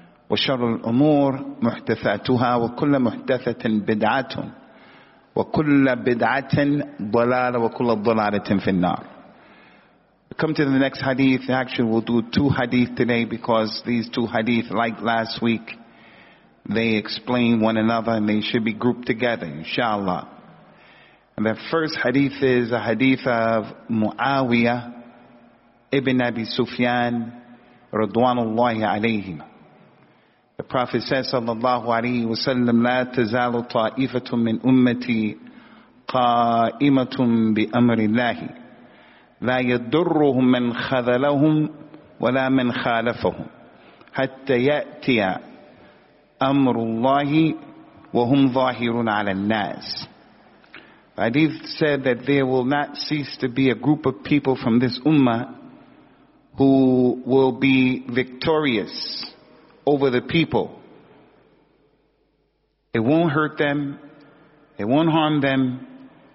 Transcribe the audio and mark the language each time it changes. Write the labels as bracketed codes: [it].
[ar] وشر الأمور محدثاتها وكل محدثة بدعة وكل بدعة ضلالة وكل ضلالة في النار. [en] Come to the next hadith. Actually, we'll do two hadith today because these two hadith, like last week, they explain one another and they should be grouped together, inshallah. And the first hadith is a hadith of Muawiyah ibn Abi Sufyan radwanullahi alayhim. The Prophet says, sallallahu alayhi wa sallam, [ar] لا تزال طائفة من أمتي قائمة بأمر الله لا يضرهم من خذلهم ولا من خالفهم حتى يأتي أمر الله وهم ظاهرون على الناس. [en] Hadith said that there will not cease to be a group of people from this ummah who will be victorious over the people. It won't hurt them. It won't harm them.